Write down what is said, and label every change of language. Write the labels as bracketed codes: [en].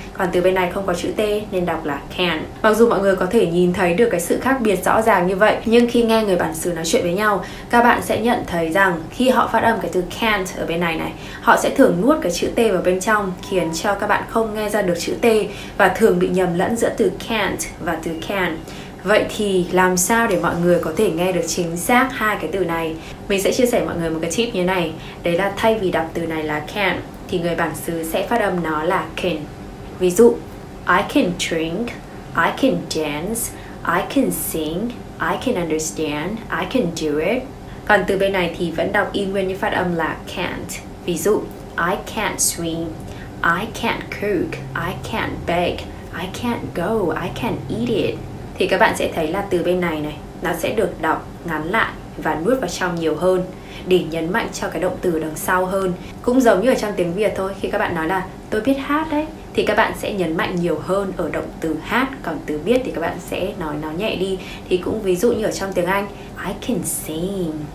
[vi] Còn từ bên này không có chữ T nên đọc là can. Mặc dù mọi người có thể nhìn thấy được cái sự khác biệt rõ ràng như vậy, nhưng khi nghe người bản xứ nói chuyện với nhau, các bạn sẽ nhận thấy rằng khi họ phát âm cái từ can't ở bên này này, họ sẽ thường nuốt cái chữ T vào bên trong, khiến cho các bạn không nghe ra được chữ T và thường bị nhầm lẫn giữa từ can't và từ can. Vậy thì làm sao để mọi người có thể nghe được chính xác hai cái từ này? Mình sẽ chia sẻ mọi người một cái tip như này. Đấy là thay vì đọc từ này là can, thì người bản xứ sẽ phát âm nó là can. [en] Ví dụ, I can drink, I can dance, I can sing, I can understand, I can do it. [vi] Còn từ bên này thì vẫn đọc y nguyên như phát âm là can't. [en] Ví dụ, I can't swim, I can't cook, I can't bake, I can't go, I can't eat it. [vi] Thì các bạn sẽ thấy là từ bên này này, nó sẽ được đọc ngắn lại và nuốt vào trong nhiều hơn để nhấn mạnh cho cái động từ đằng sau hơn. Cũng giống như ở trong tiếng Việt thôi, khi các bạn nói là tôi biết hát đấy, thì các bạn sẽ nhấn mạnh nhiều hơn ở động từ hát. Còn từ biết thì các bạn sẽ nói nó nhẹ đi. Thì cũng ví dụ như ở trong tiếng Anh, [en] I can sing.